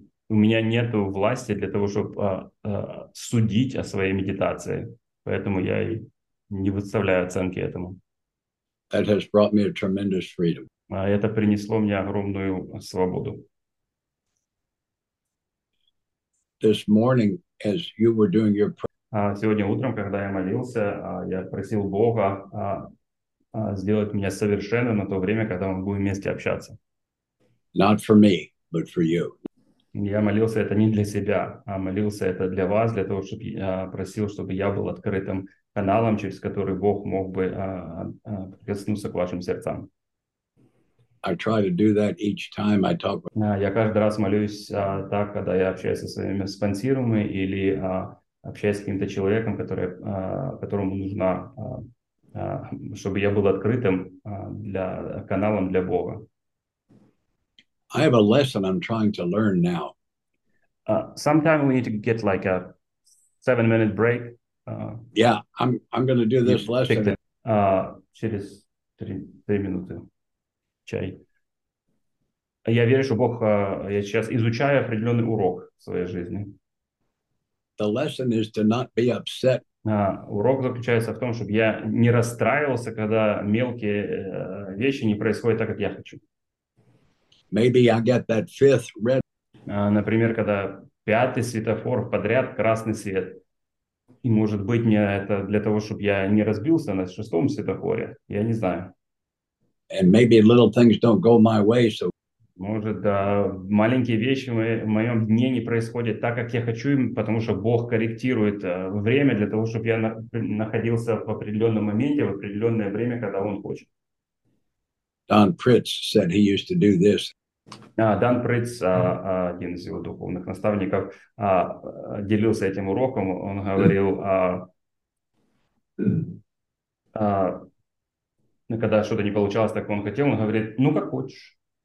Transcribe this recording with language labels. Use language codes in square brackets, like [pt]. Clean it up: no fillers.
[ru] У меня нет власти для того, чтобы судить о своей медитации. Поэтому я и не выставляю оценки этому. [en] That has brought me a tremendous freedom. [ru] Это принесло мне огромную свободу. [en] This morning, as you were doing your prayer, [ru] Сегодня утром, когда я молился, я просил Бога сделать меня совершенным на то время, когда мы будем вместе общаться. [en] Not for me, but for you. [ru] Я молился это не для себя, а молился это для вас, для того, чтобы я просил, чтобы я был открытым каналом, через который Бог мог бы прикоснуться к вашим сердцам. [en] I try to do that each time I talk. [ru] Я каждый раз молюсь так, когда я общаюсь со своими спонсируемыми или общаясь с каким-то человеком, которому нужна, чтобы я был открытым для каналом для Бога. [en] I have a lesson I'm trying to learn now. Sometime we need to get like a 7-minute break. Yeah, I'm going to do this lesson. [ru] Через 3 минуты. Чай. Я верю, что Бог, я сейчас изучаю определенный урок в своей жизни. [en] The lesson is to not be upset. [ru] Урок заключается в том, чтобы я не расстраивался, когда мелкие вещи не происходят так, как я хочу. [en] Maybe I get that fifth red. [ru] Например, когда пятый светофор подряд красный свет. И может быть мне это для того, чтобы я не разбился на шестом светофоре. Я не знаю. [en] And maybe little things don't go my way, so. [ru] Может, да, маленькие вещи в моем дне не происходят так, как я хочу, потому что Бог корректирует время для того, чтобы я находился в определенном моменте, в определенное время, когда Он хочет. [en] Don Pritz said he used to do this. [ru] Дан Притц, один из его духовных наставников, делился этим уроком. Он говорил, когда что-то не получалось, так он хотел, он говорит, ну как хочешь.